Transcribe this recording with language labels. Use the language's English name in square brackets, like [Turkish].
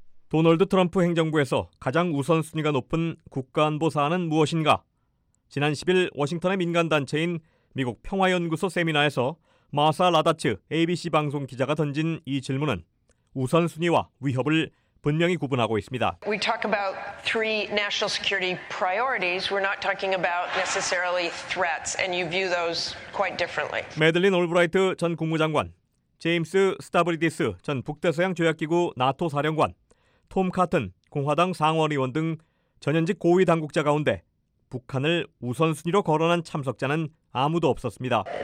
[Korean] 도널드 트럼프 행정부에서 가장 우선순위가 높은 국가안보 사안은 무엇인가? 지난 10일 워싱턴의 민간단체인 미국 평화연구소 세미나에서 마사 라다츠 ABC 방송 기자가 던진 이 질문은 우선순위와 위협을 분명히 구분하고 있습니다. [English] We talk about three national security priorities. We're not talking about necessarily threats, and you view those quite differently. [Korean] 매들린 올브라이트 전 국무장관, 제임스 스타브리디스 전 북대서양 조약기구 나토 사령관, 톰 카튼, 공화당 상원의원 등 전현직 고위 당국자 가운데 북한을 우선순위로 거론한 참석자는 아무도 없었습니다.